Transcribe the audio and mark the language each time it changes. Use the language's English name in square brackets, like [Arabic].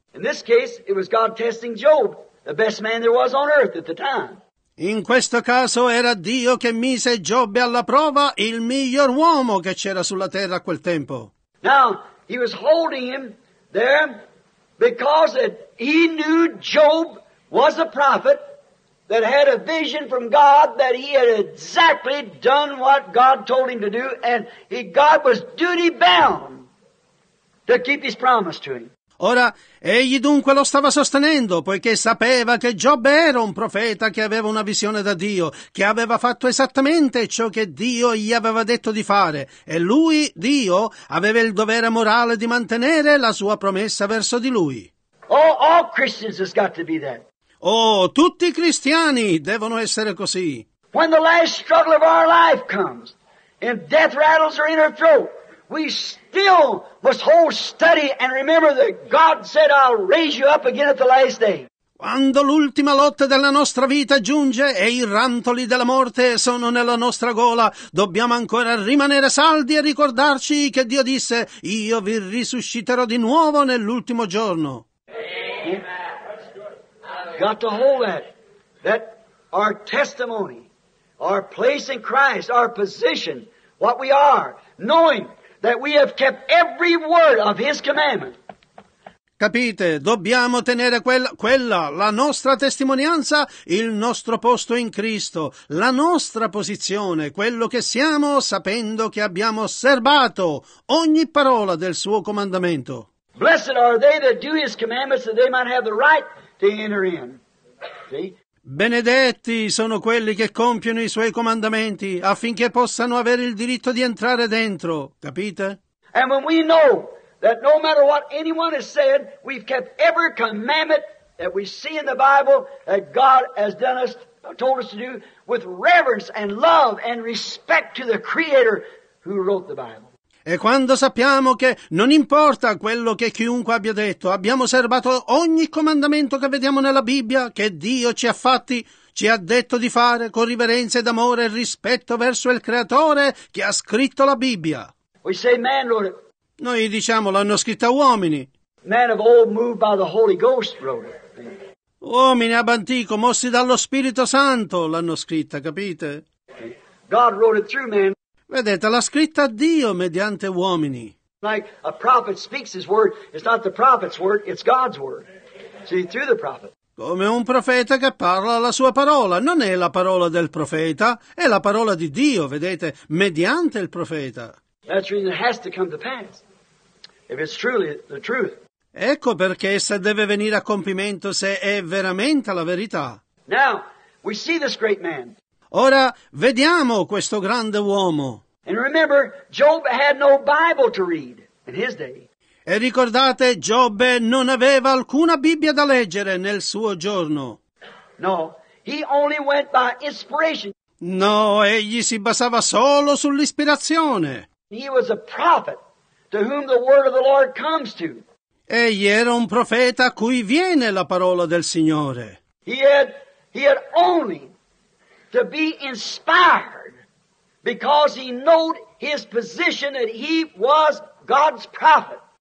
[English] In this case, it was God testing Job, the best man there was on earth at the time. [Italian] In questo caso era Dio che mise Giobbe alla prova, il miglior uomo che c'era sulla terra a quel tempo. [English] Now, he was holding him there because he knew Job was a prophet that had a vision from God that he had exactly done what God told him to do, and God was duty bound to keep his promise to him. [Italian] Ora, egli dunque lo stava sostenendo, poiché sapeva che Giobbe era un profeta che aveva una visione da Dio, che aveva fatto esattamente ciò che Dio gli aveva detto di fare, e lui, Dio, aveva il dovere morale di mantenere la sua promessa verso di lui. [English] All Christians has got to be that. [Italian] Oh, tutti i cristiani devono essere così. [English] When the last struggle of our life comes, and death rattles are in our throat, we still must hold steady and remember that God said, I'll raise you up again at the last day. [Italian] Quando l'ultima lotta della nostra vita giunge e i rantoli della morte sono nella nostra gola, dobbiamo ancora rimanere saldi e ricordarci che Dio disse: io vi risusciterò di nuovo nell'ultimo giorno. [English] Got to hold that. That our testimony, our place in Christ, our position, what we are, knowing that we have kept every word of His commandment. [Italian] Capite, dobbiamo tenere quella, la nostra testimonianza, il nostro posto in Cristo, la nostra posizione, quello che siamo, sapendo che abbiamo osservato ogni parola del suo comandamento. [English] Blessed are they that do his commandments, that they might have the right to enter in. See? [Italian] Benedetti sono quelli che compiono i suoi comandamenti affinché possano avere il diritto di entrare dentro. Capite? [English] And when we know that no matter what anyone has said, we've kept every commandment that we see in the Bible that God has done us, told us to do, with reverence and love and respect to the Creator who wrote the Bible. [Italian] E quando sappiamo che non importa quello che chiunque abbia detto, abbiamo osservato ogni comandamento che vediamo nella Bibbia, che Dio ci ha fatti, ci ha detto di fare con riverenza ed amore e rispetto verso il Creatore che ha scritto la Bibbia. [English] We say man wrote it. [Italian] Noi diciamo l'hanno scritta uomini. [English] Man of old moved by the Holy Ghost wrote it. [Italian] Uomini ab antico, mossi dallo Spirito Santo, l'hanno scritta, capite? [English] God wrote it through man. [Italian] Vedete, l'ha scritta Dio mediante uomini. [English] Like a prophet speaks his word, it's not the prophet's word, it's God's word. See, through the prophet. [Italian] Come un profeta che parla la sua parola, non è la parola del profeta, è la parola di Dio, vedete, mediante il profeta. [English] That's the reason it has to come to pass, if it's truly the truth. [Italian] Ecco perché essa deve venire a compimento se è veramente la verità. [English] Now, we see this great man. [Italian] Ora vediamo questo grande uomo. [English] And remember, Job had no Bible to read in his day. [Italian] E ricordate, Giobbe non aveva alcuna Bibbia da leggere nel suo giorno. [English] No, he only went by inspiration. [Italian] No, egli si basava solo sull'ispirazione. [English] He was a prophet to whom the word of the Lord comes to. [Italian] Egli era un profeta a cui viene la parola del Signore. [English] He had only to be inspired because he knew his position that he was God's prophet.